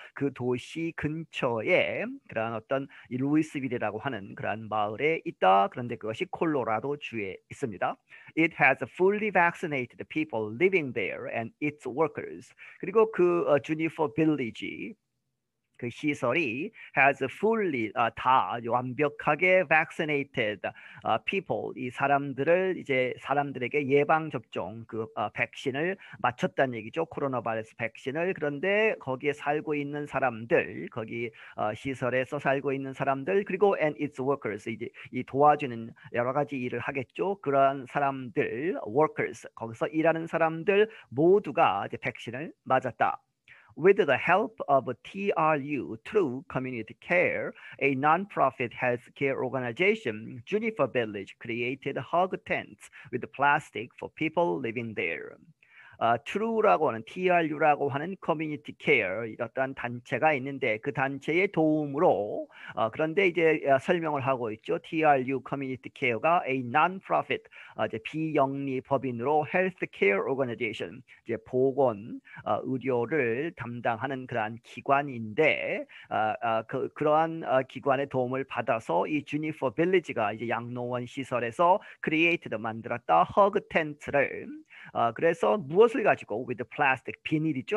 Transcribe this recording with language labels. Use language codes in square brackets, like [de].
[ko] 그 도시 근처에 그러한 어떤 루이스빌이라고 하는 그러한 마을에 있다. 그런데 그것이 콜로라도 주에 있습니다. [en] It has fully vaccinated people living there and its workers. [ko] 그리고 그 주니퍼 빌리지 그 시설이 [en] has fully [ko] 다 완벽하게 [en] vaccinated people [ko] 이 사람들을 이제 사람들에게 예방 접종 그 백신을 맞췄다는 얘기죠. 코로나 바이러스 백신을 그런데 거기에 살고 있는 사람들 거기 시설에서 살고 있는 사람들 그리고 [en] and its workers [ko] 이제 이 도와주는 여러 가지 일을 하겠죠. 그러한 사람들 workers 거기서 일하는 사람들 모두가 이제 백신을 맞았다. [en] With the help of TRU, True Community Care, a non-profit healthcare organization, Juniper Village created hog tents with plastic for people living there. [ko] True라고 하는 TRU라고 하는 커뮤니티 케어 이렇다는 단체가 있는데 그 단체의 도움으로 그런데 이제 설명을 하고 있죠. TRU 커뮤니티 케어가 [en] a non-profit [ko] 이제 비영리 법인으로 헬스 케어 오거나이제이션 이제 보건 의료를 담당하는 그러한 기관인데 그러한 기관의 도움을 받아서 이 주니퍼 빌리지가 이제 양로원 시설에서 크리에이티드 만들었다 허그 텐트를 그래서 무엇을 가지고 [en] with plastic [ko] 비닐이죠.